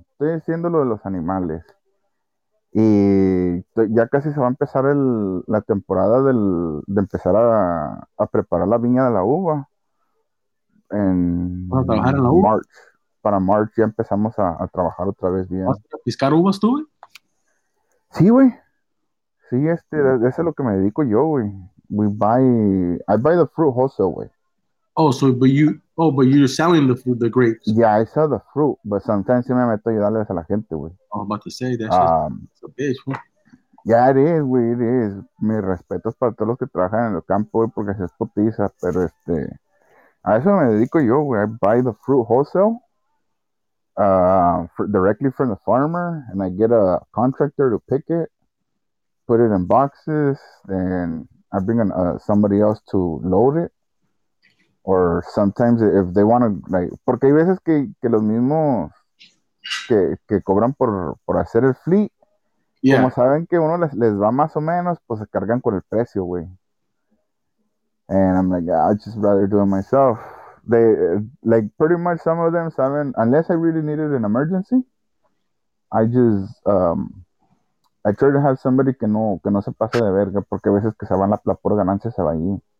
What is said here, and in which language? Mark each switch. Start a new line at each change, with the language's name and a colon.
Spanish: Estoy haciendo lo de los animales. Y ya casi se va a empezar la temporada de empezar a preparar la viña de la uva. ¿Vas a trabajar en En la U? March, para March ya empezamos a trabajar otra vez ¿Vas bien. a piscar uvas tú, güey? Sí, güey. Sí, ese es lo que me dedico yo, güey.
English: I buy the fruit wholesale, güey. Oh, so, but you're selling the food, the grapes. Yeah, I sell the fruit, but sometimes
Spanish: sí me meto a ayudarles a la gente, güey.
English: I'm about to say that's just it's a bitch, huh? Yeah, it is, güey, it is.
Spanish: Mis respetos para todos los que trabajan en el campo, güey, porque se es putiza, pero a eso me dedico yo, güey.
English: I buy the fruit wholesale. Directly from the farmer, and I get a contractor to pick it, put it in boxes, then I bring in somebody else to load it. Or sometimes if they want to,
Spanish: porque hay veces que los mismos que cobran por hacer el fleet, como saben que uno les va más o menos, pues se cargan con el precio, güey.
English: And I'm like, I'd just rather do it myself. Pretty much some of them
Spanish: saben,
English: unless I really needed an emergency, I try to have somebody
Spanish: que no se pase de verga, porque a veces que se va la pura ganancia, se va allí.